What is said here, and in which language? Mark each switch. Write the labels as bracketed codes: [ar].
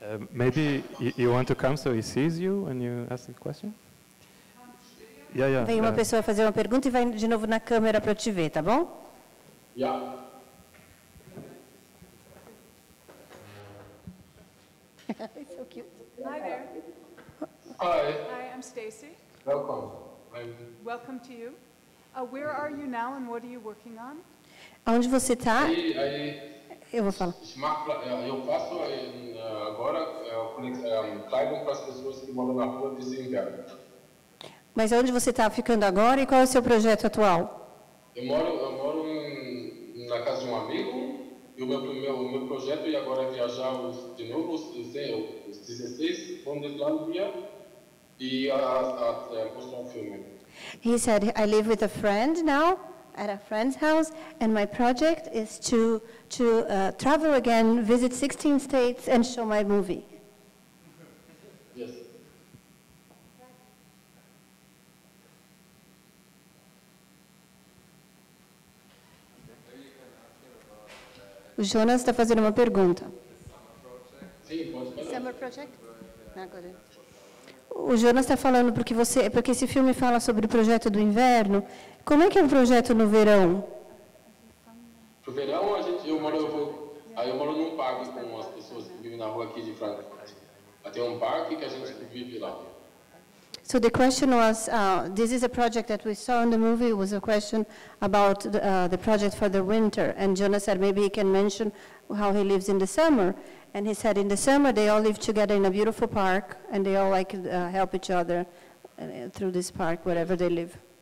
[en] Maybe you want to come so he sees you when you ask the question? Yeah, yeah. [pt] Vem uma pessoa fazer uma pergunta e vai de novo na câmera para eu te ver, tá bom? [en] Yeah. It's so cute. Hi there. Hi. Hi, I'm Stacy. Welcome. Welcome to you. Where are you now and what are you working on? [pt] Onde você está? Eu vou falar. Eu faço agora Kleidung para as pessoas que moram na rua de inverno. Mas onde você está ficando agora e qual é o seu projeto atual? Eu moro na casa de um amigo e o meu projeto é agora viajar de novo os 16, vão deslandia e postar um filme. [en] He said, I live with a friend now. At a friend's house, and my project is to travel again, visit 16 states, and show my movie. Yes. [pt] O Jonas está fazendo uma pergunta. [en] Summer project? [pt] O Jonas está falando porque você, porque esse filme fala sobre o projeto do inverno. Como é que é o projeto no verão? No verão, eu moro num parque com as pessoas que vivem na rua aqui de Frankfurt. Tem um parque que a gente vive lá. [en] So the question was, this is a project that we saw in the movie. It was a question about the project for the winter. And Jonas said maybe he can mention how he lives in the summer. And he said in the summer they all live together in a beautiful park and they all like help each other through this park, wherever they live.